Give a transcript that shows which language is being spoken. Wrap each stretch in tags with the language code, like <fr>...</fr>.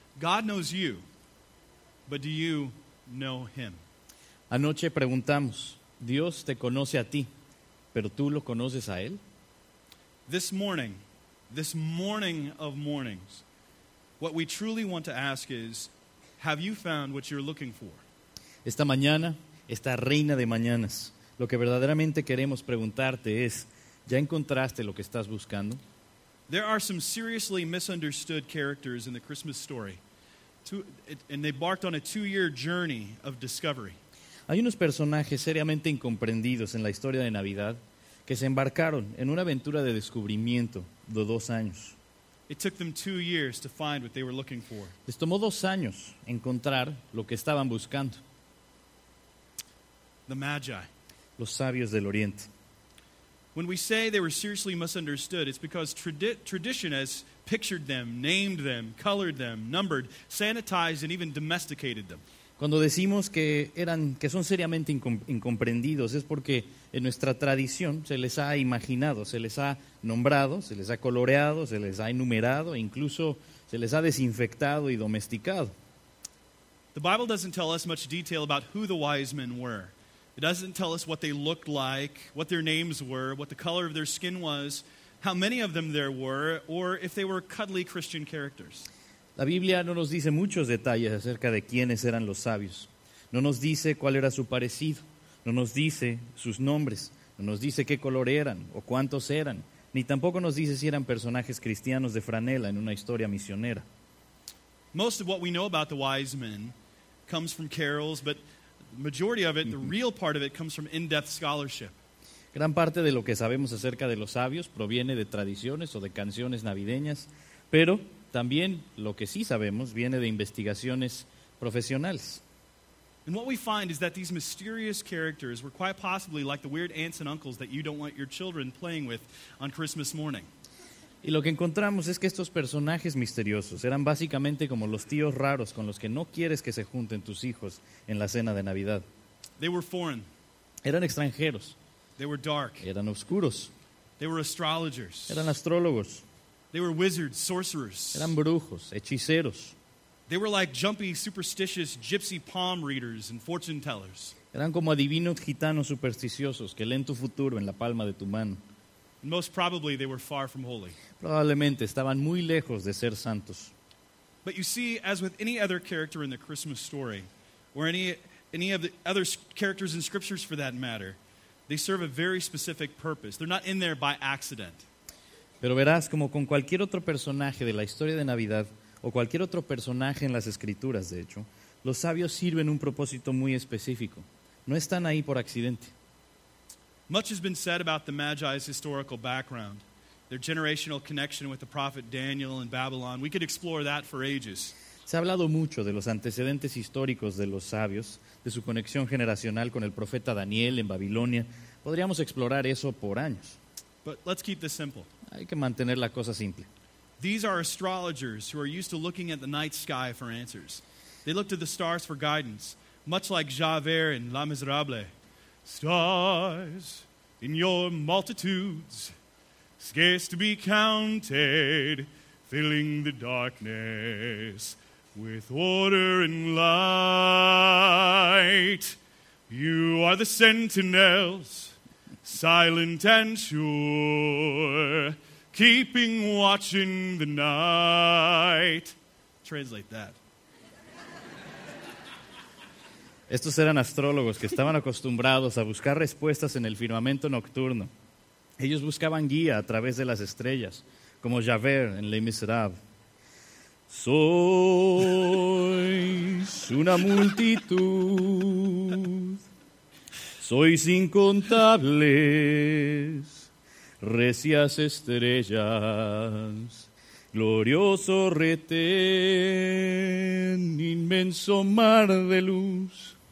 <en>God knows you, but do you know him?</en> <es>Anoche preguntamos, Dios te conoce a ti, pero tú lo conoces a él?</es> <en>This morning of mornings, what we truly want to ask is, have you found what you're looking for?</en> <es>Esta mañana, esta reina de mañanas, lo que verdaderamente queremos preguntarte es, ¿ya encontraste lo que estás buscando?</es> <en>There are some seriously misunderstood characters in the Christmas story, and they embarked on a 2-year journey of discovery.</en> <es>Hay unos personajes seriamente incomprendidos en la historia de Navidad que se embarcaron en una aventura de descubrimiento de 2 años.</es> <en>It took them 2 years to find what they were looking for.</en> <es>Les tomó 2 años encontrar lo que estaban buscando.</es> <en>The Magi.</en> <es>Los sabios del Oriente.</es> <en>When we say they were seriously misunderstood, it's because tradition has pictured them, named them, colored them, numbered, sanitized, and even domesticated them.</en> <es>Cuando decimos que son seriamente incomprendidos, es porque en nuestra tradición se les ha imaginado, se les ha nombrado, se les ha coloreado, se les ha enumerado, e incluso se les ha desinfectado y domesticado.</es> <en>The Bible doesn't tell us much detail about who the wise men were. It doesn't tell us what they looked like, what their names were, what the color of their skin was, how many of them there were, or if they were cuddly Christian characters.</en> <es>La Biblia no nos dice muchos detalles acerca de quiénes eran los sabios. No nos dice cuál era su parecido. No nos dice sus nombres. No nos dice qué color eran o cuántos eran. Ni tampoco nos dice si eran personajes cristianos de franela en una historia misionera.</es> <en>Most of what we know about the wise men comes from carols, but majority of it, the real part of it, comes from in-depth scholarship.</en> <es>Gran parte de lo que sabemos acerca de los sabios proviene de tradiciones o de canciones navideñas, pero también lo que sí sabemos viene de investigaciones profesionales.</es> <en>And what we find is that these mysterious characters were quite possibly like the weird aunts and uncles that you don't want your children playing with on Christmas morning.</en> <es>Y lo que encontramos es que estos personajes misteriosos eran básicamente como los tíos raros con los que no quieres que se junten tus hijos en la cena de Navidad.</es> <en>They were foreign.</en> <es>Eran extranjeros.</es> <en>They were dark.</en> <es>Eran oscuros.</es> <en>They were astrologers.</en> <es>Eran astrólogos.</es> <en>They were wizards, sorcerers.</en> <es>Eran brujos, hechiceros.</es> <en>They were like jumpy, superstitious, gypsy palm readers and fortune tellers.</en> <es>Eran como adivinos gitanos supersticiosos que leen tu futuro en la palma de tu mano.</es> <en>Most probably they were far from holy.</en> <es>Probablemente estaban muy lejos de ser santos.</es> <en>But you see, as with any other character in the Christmas story, or any of the other characters in scriptures for that matter, they serve a very specific purpose. They're not in there by accident.</en> <es>Pero verás, como con cualquier otro personaje de la historia de Navidad, o cualquier otro personaje en las escrituras, de hecho, los sabios sirven un propósito muy específico. No están ahí por accidente.</es> <en>Much has been said about the Magi's historical background, their generational connection with the prophet Daniel in Babylon. We could explore that for ages.</en> <es>Se ha hablado mucho de los antecedentes históricos de los sabios, de su conexión generacional con el profeta Daniel en Babilonia. Podríamos explorar eso por años.</es> <en>But let's keep this simple.</en> <es>Hay que mantener la cosa simple.</es> <en>These are astrologers who are used to looking at the night sky for answers. They look to the stars for guidance, much like Javert in La Miserable. Stars in your multitudes, scarce to be counted, filling the darkness with order and light. You are the sentinels, silent and sure, keeping watch in the night. Translate that.</en> <es>Estos eran astrólogos que estaban acostumbrados a buscar respuestas en el firmamento nocturno. Ellos buscaban guía a través de las estrellas, como Javert en Les Miserables. Sois una multitud, sois incontables, recias estrellas, glorioso retén, inmenso mar de luz.</es>